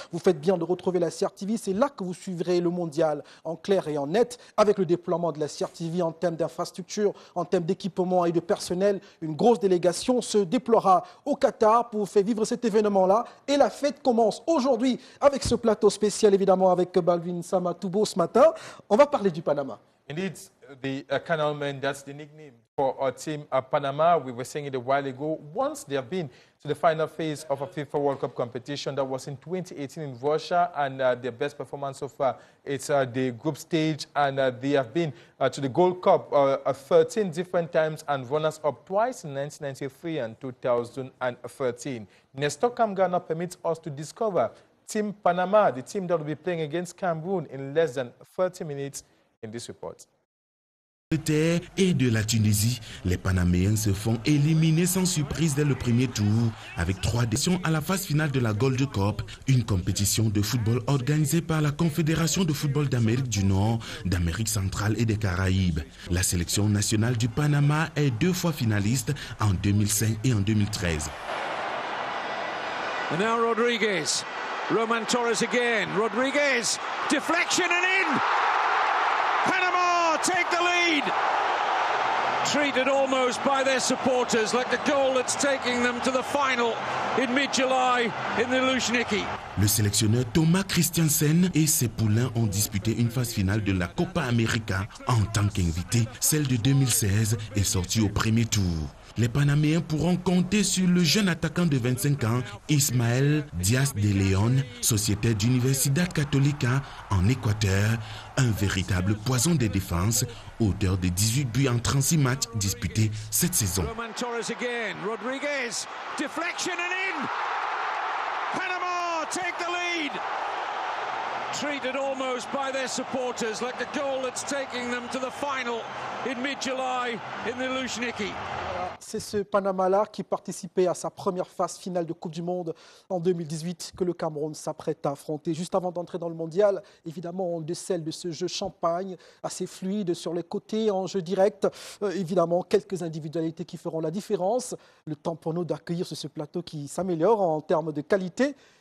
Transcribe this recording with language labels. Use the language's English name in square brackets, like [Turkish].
[French] Vous faites bien de retrouver la CRTV. C'est là que vous suivrez le mondial en clair et en net avec le déploiement de la CRTV en termes d'infrastructures, en termes d'équipement et de personnel. Une grosse délégation se déploiera au Qatar pour vous faire vivre cet événement-là. Et la fête commence aujourd'hui avec ce plateau spécial, évidemment, avec Balvin Samatoubo ce matin. On va parler du Panama. [English] Indeed, the Canalmen, that's the nickname for our team at Panama. We were saying it a while ago. Once they have been to the final phase of a FIFA World Cup competition that was in 2018 in Russia, and their best performance so far, it's the group stage, and they have been to the Gold Cup 13 different times and runners-up twice in 1993 and 2013. Nestor Kamga now permits us to discover Team Panama, the team that will be playing against Cameroon in less than 30 minutes. In this report. [French] De terre et de la Tunisie, les Panaméens se font éliminer sans surprise dès le premier tour avec trois défaites à la phase finale de la Gold Cup, une compétition de football organisée par la Confédération de football d'Amérique du Nord, d'Amérique centrale et des Caraïbes. La sélection nationale du Panama est deux fois finaliste en 2005 et en 2013. [English] And now Rodriguez, Roman Torres again, Rodriguez, deflection and in! Take the lead. Treated almost by their supporters like the goal that's taking them to the final in mid-July in the Luzhniki. [French] Le sélectionneur Thomas Christiansen et ses poulains ont disputé une phase finale de la Copa América en tant qu'invité. Celle de 2016 est sortie au premier tour. Les Panaméens pourront compter sur le jeune attaquant de 25 ans, Ismael Diaz de León, sociétaire d'Universidad Católica en Équateur, un véritable poison des défenses, auteur de 18 buts en 36 matchs disputés cette saison. Roman Torres again, Rodriguez, deflection and in. Panama take the lead. Treated almost by their supporters like the goal that's taking them to the final in mid-July in the Luzhniki. C'est ce Panama-là qui participait à sa première phase finale de Coupe du Monde en 2018 que le Cameroun s'apprête à affronter. Juste avant d'entrer dans le mondial, évidemment, on décèle de ce jeu champagne assez fluide sur les côtés, en jeu direct. Évidemment, quelques individualités qui feront la différence. Le temps pour nous d'accueillir sur ce plateau qui s'améliore en termes de qualité.